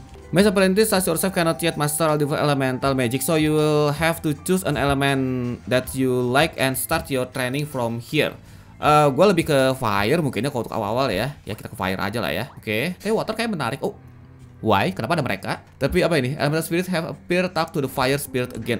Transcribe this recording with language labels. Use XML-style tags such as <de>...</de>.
<en>Mage apprentice says yourself cannot yet master all the elemental magic, so you will have to choose an element that you like and start your training from here.</en> <id>Gue lebih ke fire mungkinnya kalau untuk awal-awal ya. Ya kita ke fire aja lah ya. Oke. Okay. Hey, water kayak menarik.</id> <en>Oh, why?</en> <id>Kenapa ada mereka? Tapi apa ini?</id> <en>Elemental spirit have appeared, talk to the fire spirit again.</en>